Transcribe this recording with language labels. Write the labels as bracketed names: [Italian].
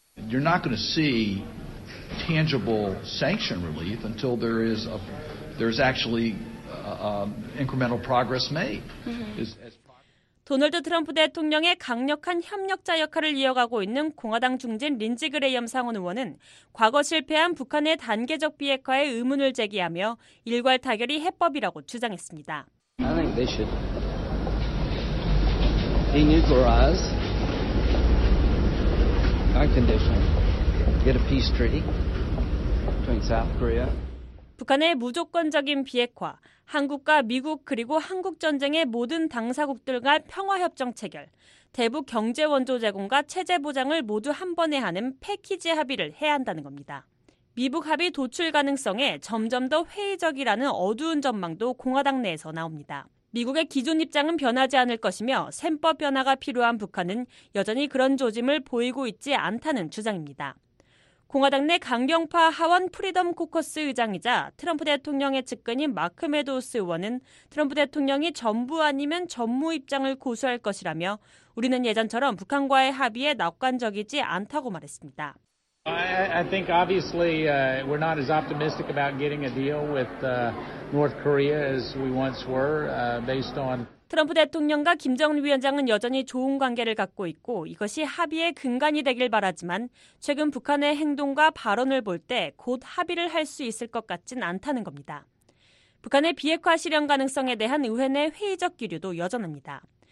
[English] You're not going to see tangible sanction relief until there's actually incremental progress made. [Korean] 도널드 트럼프 대통령의 강력한 협력자 역할을 이어가고 있는 공화당 중진 린지 그레이엄 상원 의원은 과거 실패한 북한의 단계적 비핵화에 의문을 제기하며 일괄 타결이 해법이라고 주장했습니다. [English] I think they should denuclearize unconditionally, get a peace treaty between South Korea. [Korean] 북한의 무조건적인 비핵화, 한국과 미국 그리고 한국전쟁의 모든 당사국들과 평화협정 체결, 대북 경제원조 제공과 체제 보장을 모두 한 번에 하는 패키지 합의를 해야 한다는 겁니다. 미북 합의 도출 가능성에 점점 더 회의적이라는 어두운 전망도 공화당 내에서 나옵니다. 미국의 기존 입장은 변하지 않을 것이며 셈법 변화가 필요한 북한은 여전히 그런 조짐을 보이고 있지 않다는 주장입니다. 공화당 내 강경파 하원 프리덤 코커스 의장이자 트럼프 대통령의 측근인 마크 메도스 의원은 트럼프 대통령이 전부 아니면 전무 입장을 고수할 것이라며 우리는 예전처럼 북한과의 합의에 낙관적이지 않다고 말했습니다. [English] I think obviously we're not as optimistic about getting a deal with North Korea as we once were based on [Korean] 트럼프 대통령과 김정은 위원장은 여전히 좋은 관계를 갖고 있고 이것이 합의의 근간이 되길 바라지만 최근 북한의 행동과 발언을 볼 때 곧 합의를 할 수 있을 것 같진 않다는 겁니다. 북한의 비핵화 실현 가능성에 대한 의회 내 회의적 기류도 여전합니다.